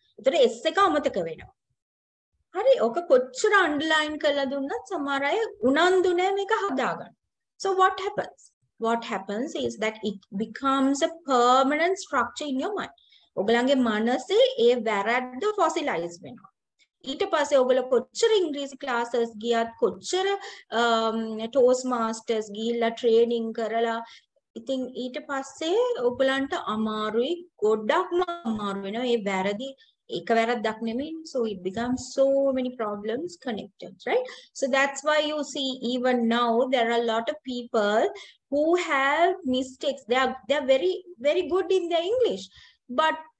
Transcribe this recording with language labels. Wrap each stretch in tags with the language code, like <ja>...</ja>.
<si>ඒතර s එක අමතක වෙනවා. හරි ඔක කොච්චර underline කරලා දුන්නත් සමහර අය උනන්දු නැ මේක හදාගන්න.</si> <en>So what happens is that it becomes a permanent structure in your mind.</en> <si>ඔගලගේ මනසේ ඒ වැරද්ද fossilize වෙනවා. ඊට පස්සේ ඔයගොල්ලෝ කොච්චර ඉංග්‍රීසි ක්ලාසස් ගියත් කොච්චර ටෝස් මාස්ටර්ස් ගිහිල්ලා ට්‍රේනින් කරලා ඉතින් ඊට පස්සේ ඔයගලන්ට අමාරුයි ගොඩක්ම අමාරු වෙනවා මේ වැරදි එක වැරද්දක් නෙමෙයි</si> <en>so it becomes so many problems connected right so that's why you see even now there are a lot of people who have mistakes they are very very good in their english but</en>